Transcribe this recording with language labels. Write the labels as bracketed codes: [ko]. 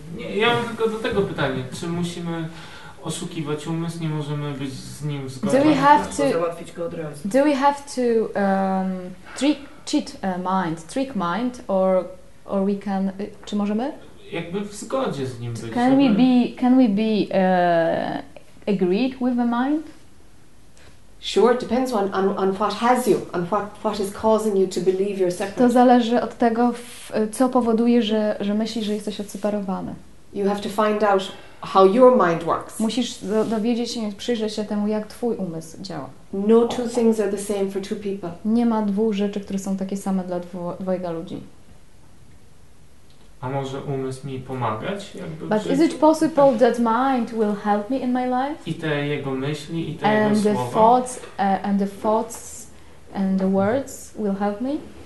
[pl] Nie, ja mam tylko do tego pytanie. Czy musimy oszukiwać umysł? Nie możemy być z nim zgodni? Załatwić go od razu. [en] Do we have to trick mind, or we can? [pl] Czy możemy? Jakby w zgodzie z nim być. [en] Can we be agreed with the mind? Sure, it depends on what has you, on what is causing you to believe you're separate. [pl] To zależy od tego, co powoduje, że myślisz, że jesteś odseparowany. [en] You have to find out how your mind works. [pl] Musisz dowiedzieć się, przyjrzeć się temu, jak twój umysł działa. [en] No two things are the same for two people. [pl] Nie ma dwóch rzeczy, które są takie same dla dwojga ludzi. A może umysł mi pomagać? Jakby [en] but is it possible that mind will help me in my life? [pl] I te jego myśli, i te [en] and [pl] jego [en] the [pl] słowa. [en] Thoughts, and the thoughts and the words will help me?